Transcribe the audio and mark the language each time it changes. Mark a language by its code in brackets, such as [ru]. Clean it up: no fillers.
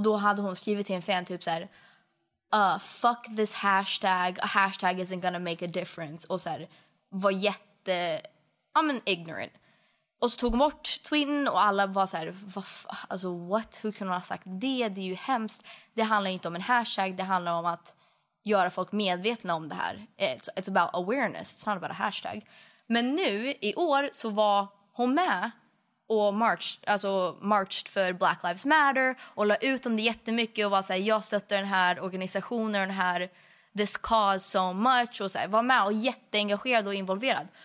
[sv] Och då hade hon skrivit till en fan typ så här, [en] fuck this hashtag, a hashtag isn't gonna make a difference. [sv] Och så här, var jätte, [en] I mean, [sv] ignorant. Och så tog hon bort tweeten och alla var så här, [en] what? [sv] Hur kunde hon ha sagt det? Det är ju hemskt. Det handlar inte om en hashtag, det handlar om att göra folk medvetna om det här. [en] It's about awareness, it's not about a hashtag. [sv] Men nu, i år, så var hon med och marched för Black Lives Matter och la ut om det jättemycket och var så här, jag stöttar den här organisationen, den här, [en] this cause so much, [sv] och så här, var med och jätteengagerad och involverad.